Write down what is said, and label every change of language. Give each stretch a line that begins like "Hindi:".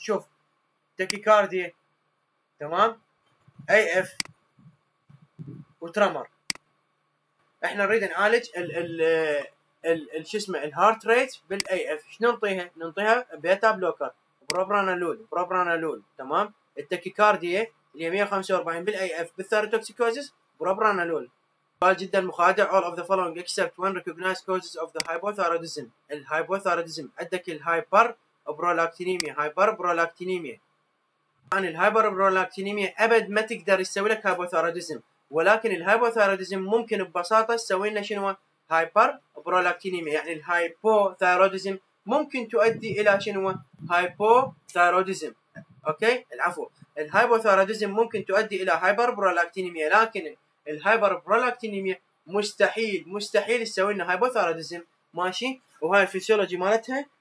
Arabic: شوف تكيكارديا، تمام، اي اف وترمر. احنا نريد نعالج ال شو اسمه الهارت ريت بالاي اف. شنو نعطيها؟ نعطيها بيتا بلوكر بروبرانالول، تمام. التكيكارديا اللي 145 بالاي اف، بالثايروتوكسيكوزيس بروبرانالول. سؤال جدا مخادع،
English: all of the following except one recognized causes of the hypothyroidism.
Arabic: الهايبوثايرويدزم عندك الهايبر برولاكتينيميا، هايبر برولاكتينيميا. عن الهايبر برولاكتينيميا ابد ما تقدر يسوي لك هايبوثايرويدزم، ولكن الهايبوثايرويدزم ممكن ببساطه تسوي لنا شنو؟ هايبر برولاكتينيميا. يعني الهايبوثايرويدزم ممكن تؤدي الى شنو؟ هايبوثايرويدزم اوكي، العفو، الهايبوثايرويدزم ممكن تؤدي الى هايبر برولاكتينيميا، لكن الهايبر برولاكتينيميا مستحيل تسوي لنا هايبوثايرويدزم. ماشي، وهاي الفيسيولوجي مالتها